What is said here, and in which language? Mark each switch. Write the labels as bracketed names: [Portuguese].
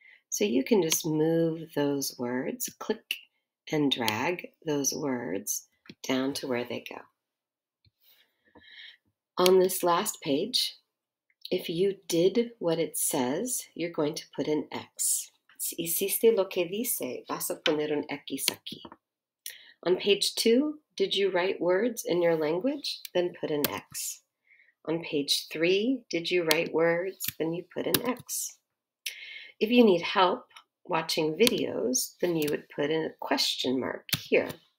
[English] So you can just move those words, click and drag those words down to where they go. On this last page, if you did what it says, you're going to put an X. [Spanish] Si hiciste lo que dice, vas a poner un X aquí. [English] On page 2, did you write words in your language? Then put an X. On page 3, did you write words? Then you put an X. If you need help watching videos, then you would put in a question mark here.